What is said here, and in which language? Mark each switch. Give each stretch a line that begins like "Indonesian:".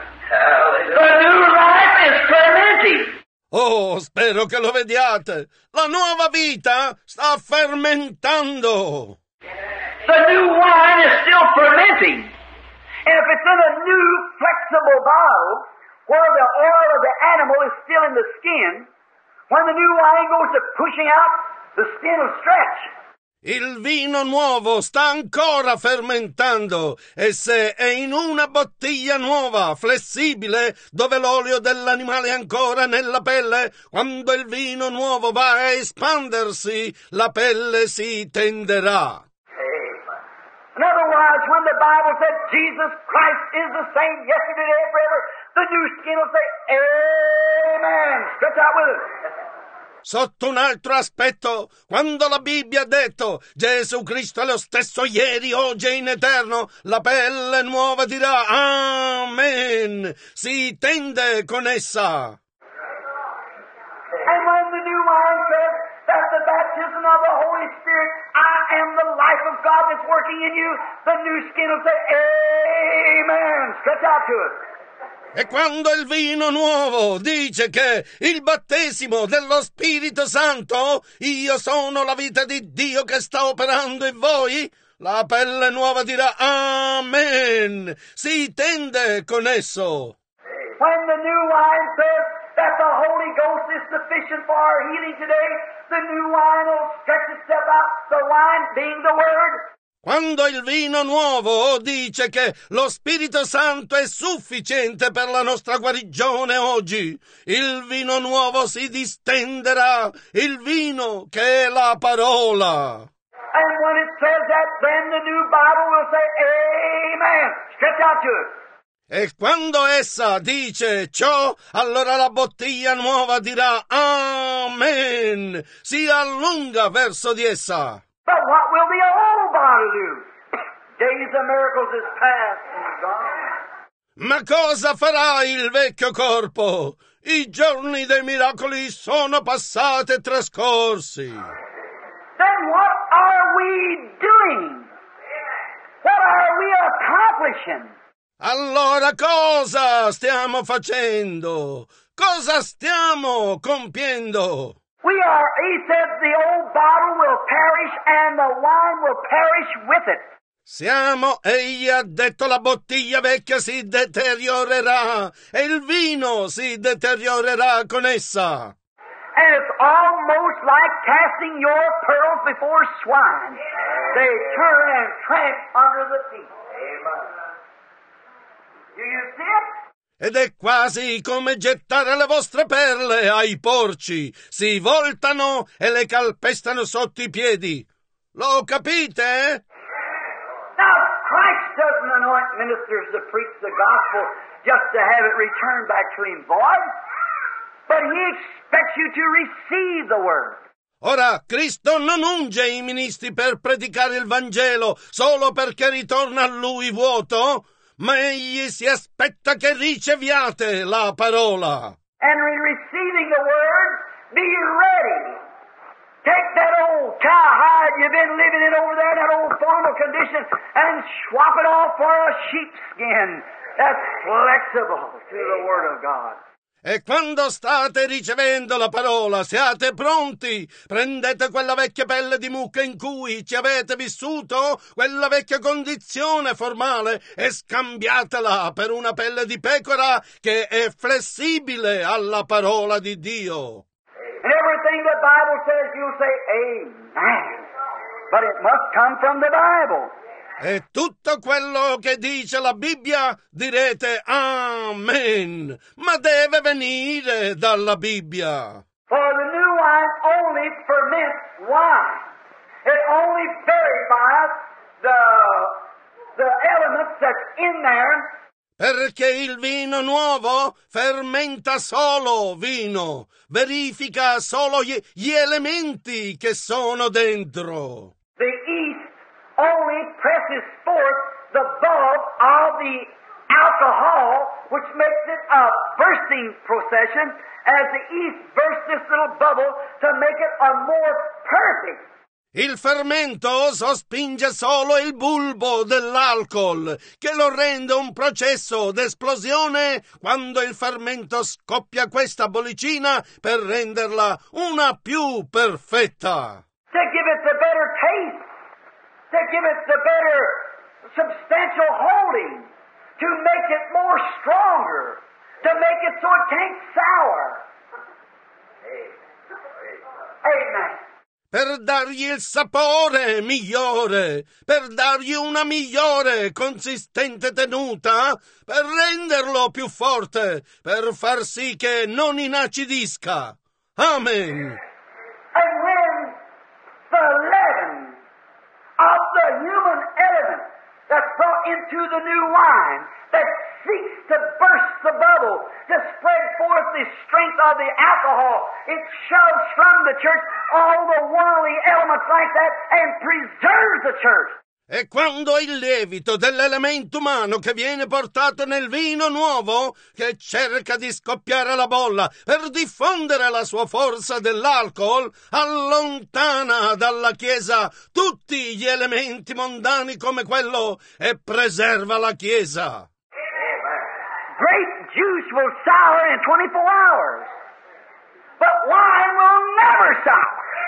English: The new life is fermenting.
Italian: Oh, spero che lo vediate. La nuova vita sta fermentando.
English: The new wine is still fermenting. And if it's in a new flexible bottle, where the oil of the animal is still in the skin, when the new wine goes to pushing out, the skin will stretch.
Italian: Il vino nuovo sta ancora fermentando e se è in una bottiglia nuova, flessibile, dove l'olio dell'animale è ancora nella pelle, quando il vino nuovo va a espandersi, la pelle si tenderà.
English: Amen. In other words, when the Bible said Jesus Christ is the same yesterday and forever, the new skin will say, Amen. Stretch out with us.
Italian: Sotto un altro aspetto, quando la Bibbia ha detto Gesù Cristo è lo stesso ieri, oggi e in eterno, la pelle nuova dirà Amen, si tende con essa.
English: And when the new mind says that the baptism of the Holy Spirit, I am the life of God that's working in you, the new skin will say Amen, stretch out to it.
Italian: E quando il vino nuovo dice che il battesimo dello Spirito Santo, io sono la vita di Dio che sta operando in voi, la pelle nuova dirà Amen, si tende con esso.
English: When the new wine says that the Holy Ghost is sufficient for our healing today, the new wine will stretch itself out, the wine being the word.
Italian: Quando il vino nuovo dice che lo Spirito Santo è sufficiente per la nostra guarigione oggi, il vino nuovo si distenderà, il vino che è la parola.
English: And when it says that, then the new Bible will say Amen. Stretch out to it.
Italian: E quando essa dice ciò, allora la bottiglia nuova dirà Amen. Si allunga verso di essa.
English: But what will the old body do? Days of miracles is past and gone.
Italian: Ma cosa farà il vecchio corpo? I giorni dei miracoli sono passati e trascorsi.
English: Then what are we doing? What are we accomplishing?
Italian: Allora cosa stiamo facendo? Cosa stiamo compiendo?
English: We are, he said, the old bottle will perish and the wine will perish with it.
Italian: Siamo, egli ha detto, la bottiglia vecchia si deteriorerà e il vino si deteriorerà con essa.
English: And it's almost like casting your pearls before swine. They turn and tramp under the feet. Amen. Do you see it?
Italian: Ed è quasi come gettare le vostre perle ai porci. Si voltano e le calpestano sotto i piedi. Lo capite?
English: Now, Christ doesn't anoint ministers to preach the gospel just to have it returned back clean void, but he expects you to receive the word.
Italian: Ora, Cristo non unge i ministri per predicare il Vangelo solo perché ritorna a lui vuoto, ma egli si aspetta che riceviate la parola.
English: And in receiving the word, be ready. Take that old cowhide you've been living in over there, that old formal condition, and swap it off for a sheepskin that's flexible to the word of God.
Italian: E quando state ricevendo la parola, siate pronti, prendete quella vecchia pelle di mucca in cui ci avete vissuto, quella vecchia condizione formale, e scambiatela per una pelle di pecora che è flessibile alla parola di Dio.
English: And everything the Bible says, you'll say, Amen. But it must come from the Bible.
Italian: E tutto quello che dice la Bibbia direte Amen, ma deve venire dalla Bibbia.
English: For the new wine only ferments wine. It only verifies the elements that's in there.
Italian: Perché il vino nuovo fermenta solo vino, verifica solo gli elementi che sono dentro.
English: The yeast only presses forth the bulk of the alcohol, which makes it a bursting procession, as the yeast bursts this little bubble to make it a more perfect.
Italian: Il fermento sospinge solo il bulbo dell'alcol, che lo rende un processo d'esplosione quando il fermento scoppia questa bollicina per renderla una più perfetta.
English: To give it the better taste. To give it the better substantial holding, to make it more stronger, to make it so it can't sour. Amen.
Italian: Per dargli il sapore migliore, per dargli una migliore consistente tenuta, per renderlo più forte, per far sì che non inacidisca. Amen.
English: And when the leaven of the human element that's brought into the new wine that seeks to burst the bubble. trouble to spread forth the strength of the alcohol. It shoves from the church all the worldly elements like that and preserves the church.
Italian: E quando il lievito dell'elemento umano che viene portato nel vino nuovo, che cerca di scoppiare la bolla per diffondere la sua forza dell'alcol, allontana dalla Chiesa tutti gli elementi mondani come quello e preserva la Chiesa.
English: Grape juice will sour in 24 hours, but wine will never sour.